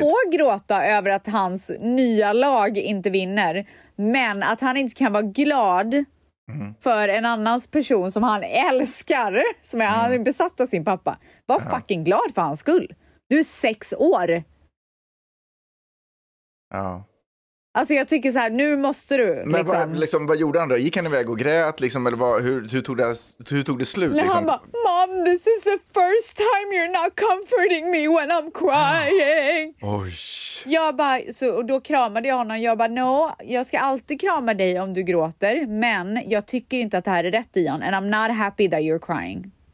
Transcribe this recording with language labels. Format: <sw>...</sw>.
<sv>Får gråta över att hans nya lag inte vinner, men att han inte kan vara glad för en annans person som han älskar, som är han besatt av sin pappa. Var fucking glad för hans skull. Du är 6 år. Ja. Alltså jag tycker så här, nu måste du. Men liksom. Vad gjorde han då? Gick han iväg och grät liksom, eller hur tog det slut? Nej, liksom? Han bara,</sv> <en>mom, this is the first time you're not comforting me when I'm crying.</en> <sv>Oj. Jag bara, och då kramade jag honom. Jag bara, no, jag ska alltid krama dig om du gråter, men jag tycker inte att det här är rätt, Dion.</sv> <en>And I'm not happy that you're crying.</en>